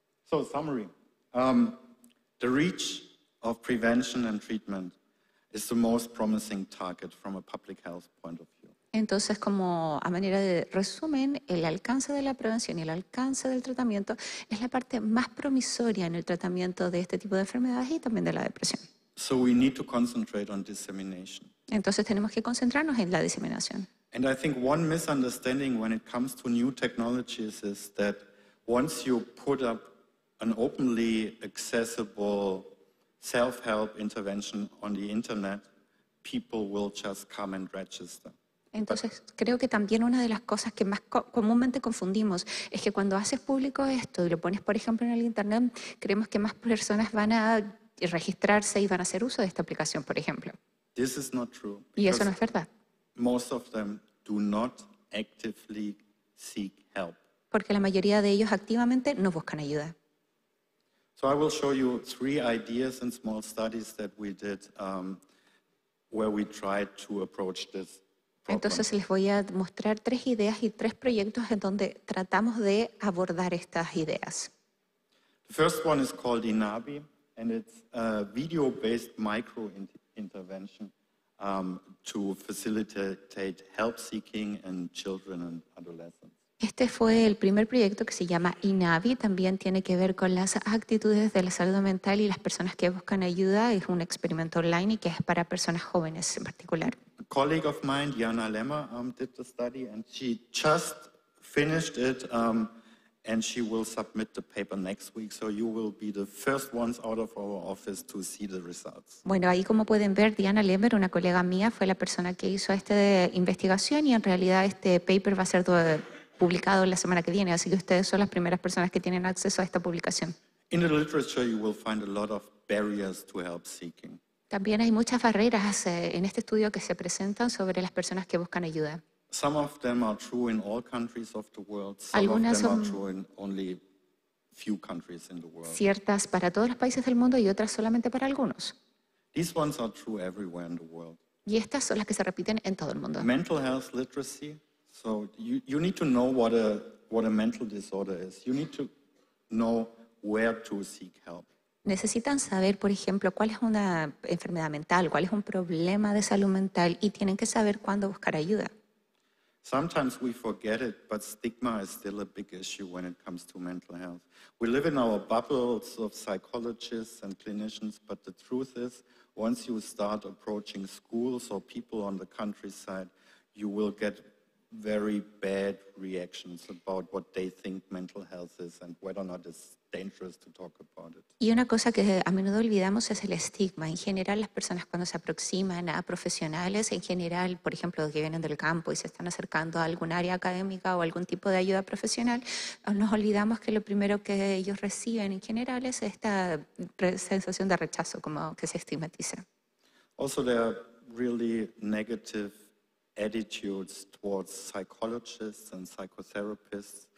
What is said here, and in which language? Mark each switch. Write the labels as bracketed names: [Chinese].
[English] So summary, the reach of prevention and treatment is the most promising target from a public health point of view. [Spanish] Entonces, como a manera de resumen, el alcance de la prevención y el alcance del tratamiento es la parte más promisoria en el tratamiento de este tipo de enfermedades y también de la depresión. [English] So we need to concentrate on dissemination. [Spanish] Entonces, tenemos que concentrarnos en la diseminación. [English] And I think one misunderstanding when it comes to new technologies is that once you put up an openly accessible self-help intervention on the internet, people will just come and register. [Spanish] Entonces, creo que también una de las cosas que más comúnmente confundimos es que cuando haces público esto y lo pones, por ejemplo, en el internet, creemos que más personas van a registrarse y van a hacer uso de esta aplicación, por ejemplo. [English] This is not true. [Spanish] Y eso no es verdad. [English] Most of them do not actively seek help. [Spanish] Porque la mayoría de ellos activamente no buscan ayuda. [English] So I will show you three ideas and small studies that we did where we tried to approach this problem. [Spanish] Entonces les voy a mostrar tres ideas y tres proyectos en donde tratamos de abordar estas ideas. [English] The first one is called INABI and it's a video-based micro intervention to facilitate help seeking in children and adolescents. [Spanish] Este fue el primer proyecto que se llama INABI, también tiene que ver con las actitudes de la salud mental y las personas que buscan ayuda, es un experimento online y que es para personas jóvenes en particular. [English] A colleague of mine, Jana Lemmer, did the study and she just finished it and she will submit the paper next week, so you will be the first ones out of our office to see the results. [Spanish] Bueno, ahí como pueden ver, Diana Lemmer, una colega mía, fue la persona que hizo esta investigación y en realidad este paper va a ser publicado la semana que viene, así que ustedes son las primeras personas que tienen acceso a esta publicación. [English] In the literature you will find a lot of barriers to help seeking. [Spanish] También hay muchas barreras en este estudio que se presentan sobre las personas que buscan ayuda. [English] Some of them are true in all countries of the world. Some of them are true in only few countries in the world. [Spanish] Ciertas para todos los países del mundo y otras solamente para algunos. [English] These ones are true everywhere in the world. [Spanish] Y estas son las que se repiten en todo el mundo. [English] Mental health literacy. So you need to know what a mental disorder is. You need to know where to seek help. [Spanish] Necesitan saber, por ejemplo, cuál es una enfermedad mental, cuál es un problema de salud mental y tienen que saber cuándo buscar ayuda. [English] Sometimes we forget it, but stigma is still a big issue when it comes to mental health. We live in our bubbles of psychologists and clinicians, but the truth is, once you start approaching schools or people on the countryside, you will get very bad reactions about what they think mental health is and whether or not it's dangerous to talk about it. [Spanish] Y una cosa que a menudo olvidamos es el estigma. En general, las personas cuando se aproximan a profesionales, en general, por ejemplo, que vienen del campo y se están acercando a algún área académica o algún tipo de ayuda profesional, nos olvidamos que lo primero que ellos reciben en general es esta sensación de rechazo, como que se estigmatiza. [English] Also, there are really negative attitudes towards psychologists and psychotherapists.